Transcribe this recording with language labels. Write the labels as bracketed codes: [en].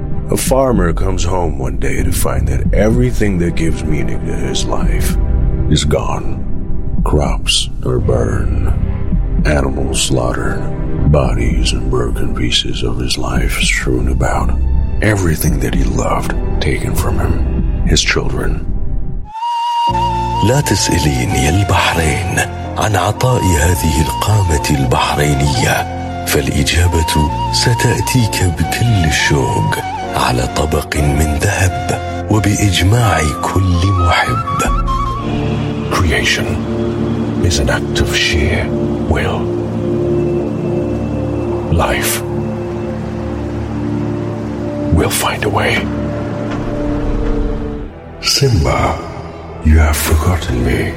[en] A farmer comes home one day to find that everything that gives meaning to his life is gone. Crops are burned, animals slaughtered, bodies and broken pieces of his life strewn about. Everything that he loved taken from him, his children. [ar] لا تسأليني البحرين عن عطاء هذه القامة البحرينية فالإجابة ستأتيك بكل الشوق على طبق من ذهب وبإجماع كل محب. [en] Creation is an act of sheer will. Life will find a way. Simba, you have forgotten me.